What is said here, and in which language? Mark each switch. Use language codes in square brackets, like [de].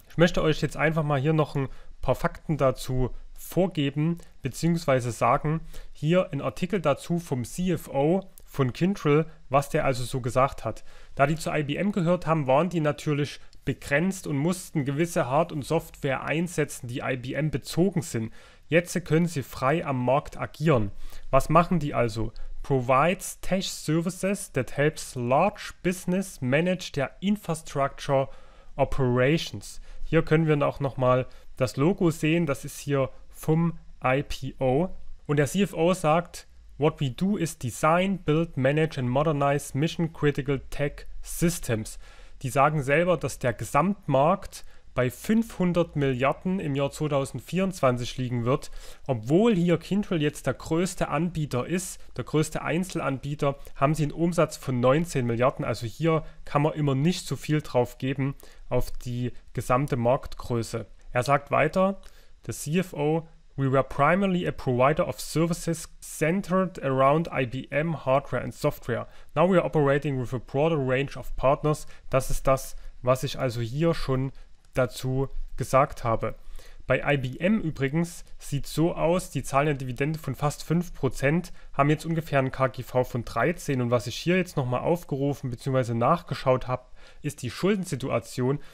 [de] Ich möchte euch jetzt einfach mal hier noch ein paar Fakten dazu vorgeben, beziehungsweise sagen, hier ein Artikel dazu vom CFO von Kyndryl, was der also so gesagt hat. Da die zu IBM gehört haben, waren die natürlich begrenzt und mussten gewisse Hard- und Software einsetzen, die IBM bezogen sind. Jetzt können sie frei am Markt agieren. Was machen die also? [en] Provides Tech Services that helps large business manage their infrastructure operations. [de] Hier können wir auch nochmal das Logo sehen. Das ist hier vom IPO. Und der CFO sagt, [en] what we do is design, build, manage and modernize mission critical tech systems. [de] Die sagen selber, dass der Gesamtmarkt bei 500 Milliarden im Jahr 2024 liegen wird. Obwohl hier Kyndryl jetzt der größte Anbieter ist, der größte Einzelanbieter, haben sie einen Umsatz von 19 Milliarden. Also hier kann man immer nicht so viel drauf geben auf die gesamte Marktgröße. Er sagt weiter, der CFO, [en] we were primarily a provider of services centered around IBM Hardware and Software. Now we are operating with a broader range of partners. [de] Das ist das, was ich also hier schon dazu gesagt habe. Bei IBM übrigens sieht es so aus, die zahlen eine Dividende von fast 5%, haben jetzt ungefähr ein KGV von 13. Und was ich hier jetzt nochmal aufgerufen bzw. nachgeschaut habe, ist die Schuldensituation.